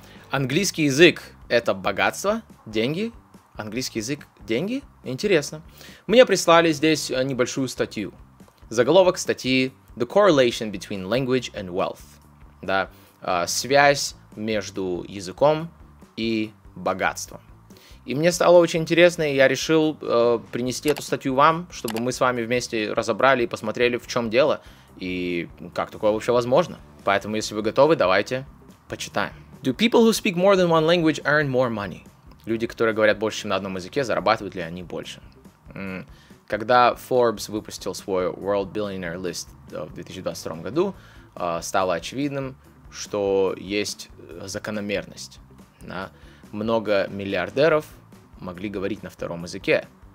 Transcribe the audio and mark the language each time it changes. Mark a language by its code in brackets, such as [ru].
[ru] Английский язык – это богатство, деньги? Английский язык – деньги? Интересно. Мне прислали здесь небольшую статью. Заголовок статьи [en] «The correlation between language and wealth». [ru] Да, связь между языком и богатством. И мне стало очень интересно, и я решил принести эту статью вам, чтобы мы с вами вместе разобрали и посмотрели, в чем дело, и как такое вообще возможно. Поэтому, если вы готовы, давайте почитаем. [en] Do people who speak more than one language earn more money? [ru] Люди, которые говорят больше, чем на одном языке, зарабатывают ли они больше? Когда Forbes выпустил свой World Billionaire List в 2022 году, стало очевидным, что есть закономерность. Да? Много миллиардеров могли говорить на втором языке.